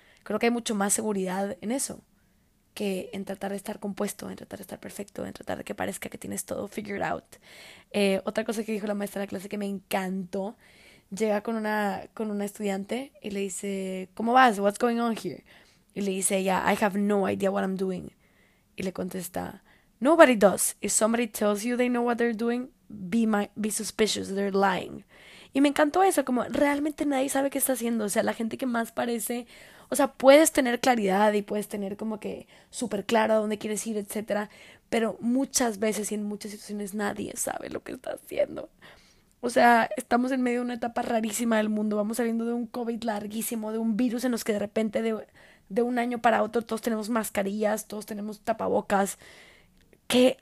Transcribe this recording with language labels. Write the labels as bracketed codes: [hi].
[es] Creo que hay mucho más seguridad en eso que en tratar de estar compuesto, en tratar de estar perfecto, en tratar de que parezca que tienes todo figured out. Otra cosa que dijo la maestra de la clase que me encantó, llega con una estudiante y le dice, ¿cómo vas? [en] What's going on here? [es] Y le dice ella, [en] I have no idea what I'm doing. [es] Y le contesta, [en] nobody does. If somebody tells you they know what they're doing, be suspicious, they're lying. [es] Y me encantó eso, como realmente nadie sabe qué está haciendo. O sea, la gente que más parece, o sea, puedes tener claridad y puedes tener como que súper claro a dónde quieres ir, etcétera. Pero muchas veces y en muchas situaciones nadie sabe lo que está haciendo. O sea, estamos en medio de una etapa rarísima del mundo. Vamos saliendo de un COVID larguísimo, de un virus en los que de repente de un año para otro, todos tenemos mascarillas, todos tenemos tapabocas. ¿Qué?